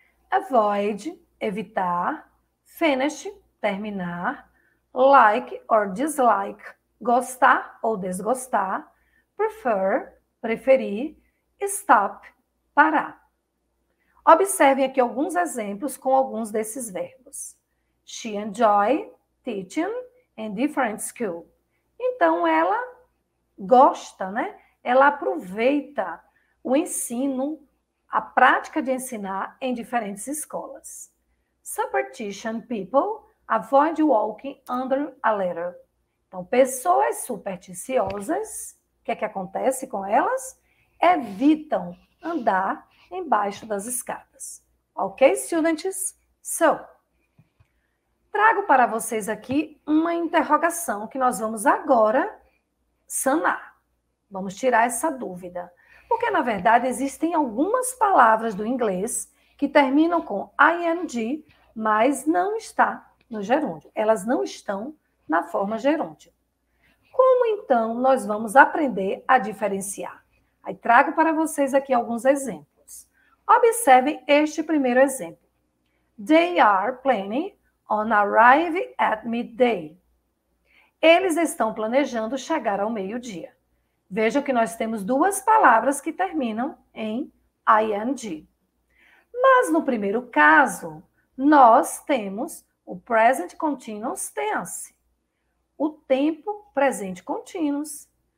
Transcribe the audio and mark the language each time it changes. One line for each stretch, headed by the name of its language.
Portuguese: Avoid, evitar. Finish, terminar. Like or dislike, gostar ou desgostar. Prefer, preferir. Stop, parar. Observem aqui alguns exemplos com alguns desses verbos.
English: She enjoys teaching in different school.
Portuguese: Então, ela gosta, né? Ela aproveita o ensino, a prática de ensinar em diferentes escolas.
English: Superstition people avoid walking under a ladder.
Portuguese: Então, pessoas supersticiosas, o que é que acontece com elas? Evitam andar embaixo das escadas.
English: Ok, students? So,
Portuguese: trago para vocês aqui uma interrogação que nós vamos agora sanar. Vamos tirar essa dúvida. Porque, na verdade, existem algumas palavras do inglês que terminam com ing, mas não está no gerúndio. Elas não estão na forma gerúndio. Como então nós vamos aprender a diferenciar? Aí trago para vocês aqui alguns exemplos. Observem este primeiro exemplo.
English: They are planning on arriving at midday.
Portuguese: Eles estão planejando chegar ao meio-dia. Vejam que nós temos duas palavras que terminam em ing. Mas no primeiro caso, nós temos o present continuous tense, o tempo presente continuous.